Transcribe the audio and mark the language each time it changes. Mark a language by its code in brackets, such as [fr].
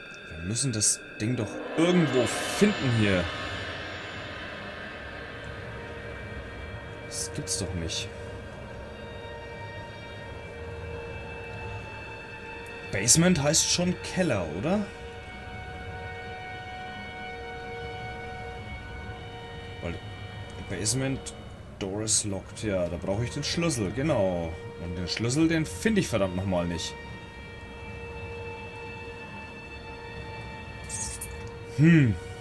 [de] Wir müssen das Ding doch irgendwo finden hier. Das gibt's doch nicht. Basement heißt schon Keller, oder? Weil [en] Basement Door is locked. [de] Ja, da brauche ich den Schlüssel, genau. Und den Schlüssel, den finde ich verdammt nochmal nicht. Hm.